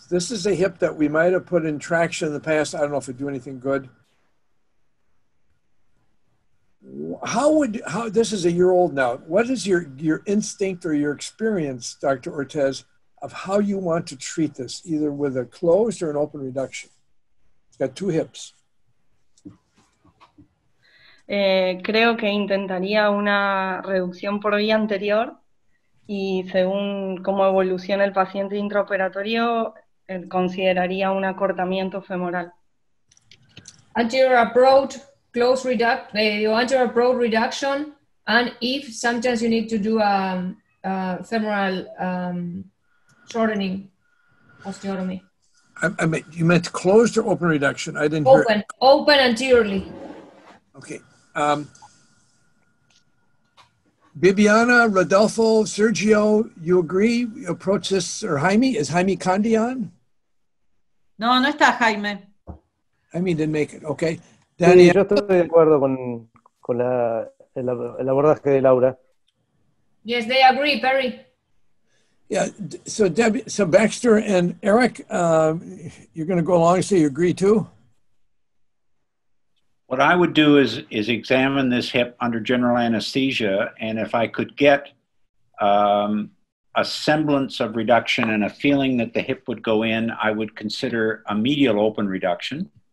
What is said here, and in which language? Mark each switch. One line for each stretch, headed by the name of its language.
English: This is a hip that we might have put in traction in the past. I don't know if it'd do anything good. How this is a year old now. What is your instinct or your experience, Dr. Ortiz, of how you want to treat this, either with a closed or an open reduction? It's got two hips.
Spanish: Creo que intentaría una reducción por vía anterior y según cómo evoluciona el paciente intraoperatorio, consideraría un acortamiento femoral.
English: Anterior approach. Close anterior-approach reduction, and if sometimes you need to do a femoral shortening osteotomy. I mean, you meant closed or open reduction? I didn't open. Hear. Open anteriorly. Okay. Bibiana, Rodolfo, Sergio, you agree? You approach this, or Jaime? Is Jaime Condi on?
Spanish: No, no está Jaime.
English: Jaime didn't make it, okay.
Spanish: Sí, yo estoy de acuerdo con el abordaje de Laura.
English: Yes, they agree, Perry. Yeah, so Debbie, so Baxter and Eric, you're going to go along and say you agree too? What I would do is examine this hip under general anesthesia, and if I could get a semblance of reduction and a feeling that the hip would go in, I would consider a medial open reduction.